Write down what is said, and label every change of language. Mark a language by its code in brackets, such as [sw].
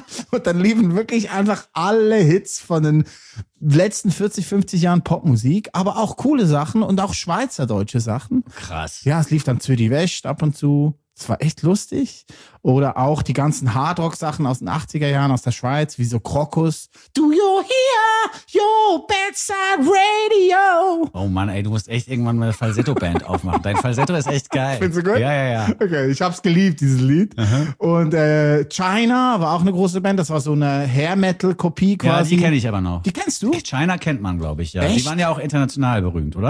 [de] Und dann liefen wirklich einfach alle Hits von den letzten 40, 50 Jahren Popmusik, aber auch coole Sachen und auch schweizerdeutsche Sachen. Krass. Ja, es lief dann Zürich West ab und zu. Es war echt lustig. Oder auch die ganzen Hardrock-Sachen aus den 80er Jahren aus der Schweiz, wie so Krokus. [en] Do you hear your bedside radio? [de] Oh Mann, ey, du musst echt irgendwann eine Falsetto-Band aufmachen. Dein Falsetto ist echt geil. Findest du gut? Ja, ja, ja. Okay, ich hab's geliebt, dieses Lied. Uh-huh. Und China war auch eine große Band. Das war so eine Hair-Metal-Kopie quasi. Ja, die kenne ich aber noch. Die kennst du? China kennt man, glaube ich, ja. Echt? Die waren ja auch international berühmt, oder?